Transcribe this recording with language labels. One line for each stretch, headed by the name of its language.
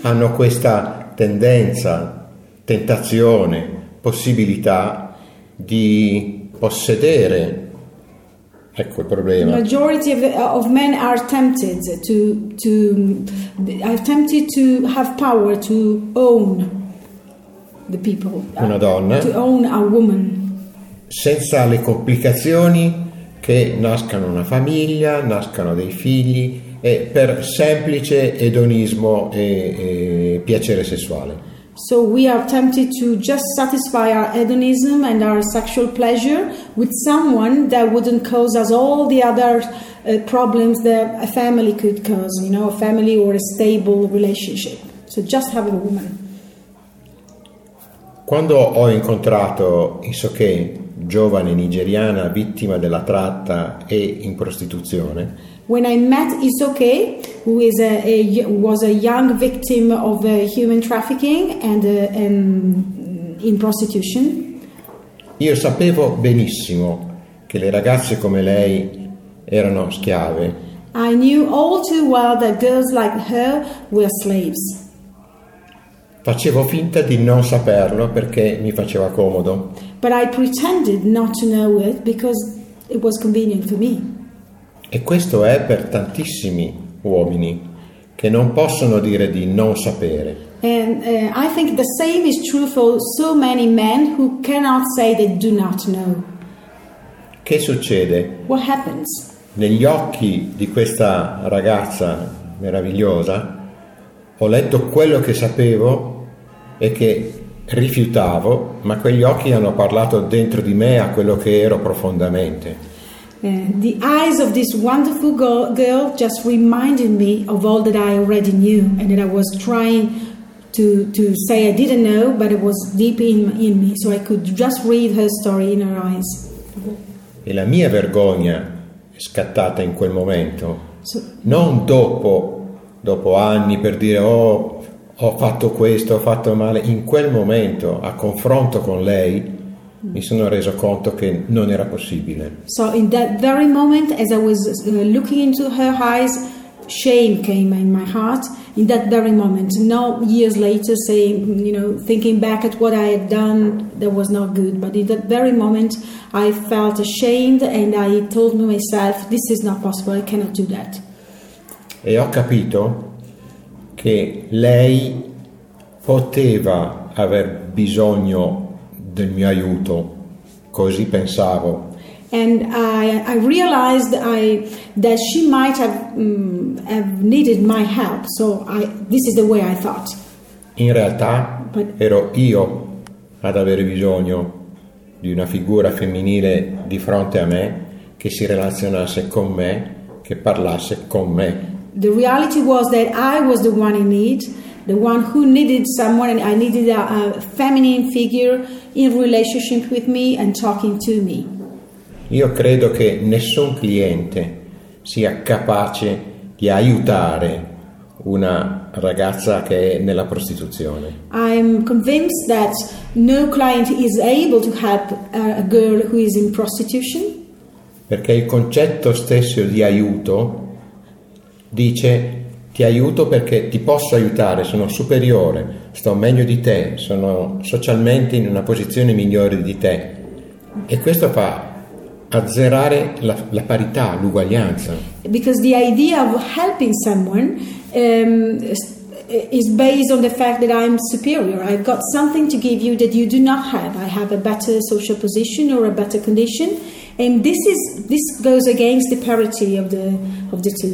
Italian: hanno questa tendenza, tentazione, possibilità di possedere. Ecco il problema.
English: The majority of men are tempted to have power to own the people.
Italian: Una donna.
English: To own a woman.
Italian: Senza le complicazioni che nascano una famiglia, nascano dei figli e per semplice edonismo e piacere sessuale.
English: So we are tempted to just satisfy our hedonism and our sexual pleasure with someone that wouldn't cause us all the other problems that a family could cause, you know, a family or a stable relationship. So just have a woman.
Italian: Quando ho incontrato Isoke, giovane nigeriana vittima della tratta e in prostituzione.
English: When I met Isoke, who is was a young victim of human trafficking and in prostitution.
Italian: Io sapevo benissimo che le ragazze come lei erano schiave.
English: I knew all too well that girls like her were slaves.
Italian: Facevo finta di non saperlo perché mi faceva comodo.
English: But I pretended not to know it because it was convenient for me.
Italian: E questo è per tantissimi uomini che non possono dire di non sapere.
English: And I think the same is true for so many men who cannot say they do not know.
Italian: Che succede?
English: What happens?
Italian: Negli occhi di questa ragazza meravigliosa ho letto quello che sapevo e che rifiutavo, ma quegli occhi hanno parlato dentro di me a quello che ero profondamente.
English: The eyes of this wonderful girl just reminded me of all that I already knew and that I was trying to say I didn't know, but it was deep in me, so I could just read her story in her eyes.
Italian: E la mia vergogna è scattata in quel momento, non dopo anni per dire ho fatto questo, ho fatto male. In quel momento, a confronto con lei, mi sono reso conto che non era possibile.
English: So in that very moment, as I was looking into her eyes, shame came in my heart. In that very moment, not years later, thinking back at what I had done, that was not good. But in that very moment, I felt ashamed and I told myself, this is not possible, I cannot do that.
Italian: E ho capito che lei poteva aver bisogno del mio aiuto, così pensavo.
English: And I realized that she might have needed my help, so this is the way I thought.
Italian: In realtà ero io ad avere bisogno di una figura femminile di fronte a me che si relazionasse con me, che parlasse con me.
English: The reality was that I was the one in need, the one who needed someone, and I needed a feminine figure in relationship with me and talking to me.
Italian: Io credo che nessun cliente sia capace di aiutare una ragazza che è nella prostituzione.
English: I'm convinced that no client is able to help a girl who is in prostitution.
Italian: Perché il concetto stesso di aiuto dice: ti aiuto perché ti posso aiutare, sono superiore, sto meglio di te, sono socialmente in una posizione migliore di te. E questo fa azzerare la parità, l'uguaglianza.
English: Because the idea of helping someone is based on the fact that I'm superior. I've got something to give you that you do not have. I have a better social position or a better condition. And this goes against the parity of the two.